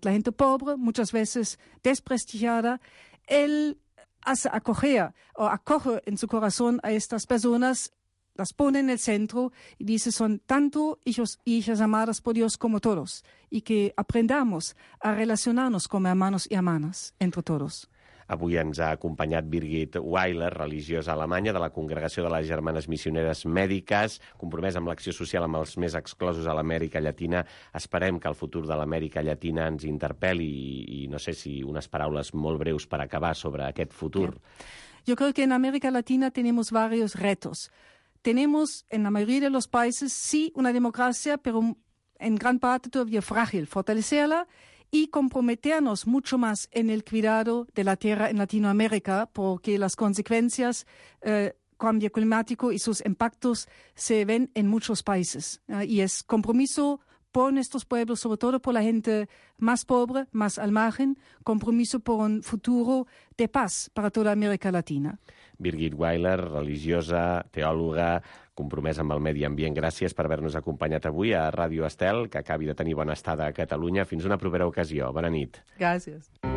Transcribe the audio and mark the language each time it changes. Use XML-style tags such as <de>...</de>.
<es>La gente pobre, muchas veces desprestigiada, él hace acoge en su corazón a estas personas, las pone en el centro y dice, son tanto hijos y hijas amadas por Dios como todos, y que aprendamos a relacionarnos como hermanos y hermanas entre todos.</es> <ca>Avui ens ha acompanyat Birgit Weiler, religiosa alemanya de la Congregació de les Germanes Missioneres Mèdiques, compromesa amb l'acció social amb els més exclosos a l'Amèrica Llatina. Esperem que el futur de l'Amèrica Llatina ens interpel·li i no sé si unes paraules molt breus per acabar sobre aquest futur.</ca> <es>Yo creo que en América Latina tenemos varios retos. Tenemos, en la mayoría de los países, sí, una democracia, pero en gran parte todavía frágil. Fortalecerla y comprometernos mucho más en el cuidado de la tierra en Latinoamérica, porque las consecuencias cambio climático y sus impactos se ven en muchos países. Y es compromiso por nuestros pueblos, sobre todo por la gente más pobre, más al margen, compromiso por un futuro de paz para toda América Latina.</es> <ca>Birgit Weiler, religiosa, teòloga, compromesa amb el medi ambient. Gràcies per haver-nos acompanyat avui a Ràdio Estel, que acabi de tenir bona estada a Catalunya. Fins una propera ocasió. Bona nit. Gràcies.</ca>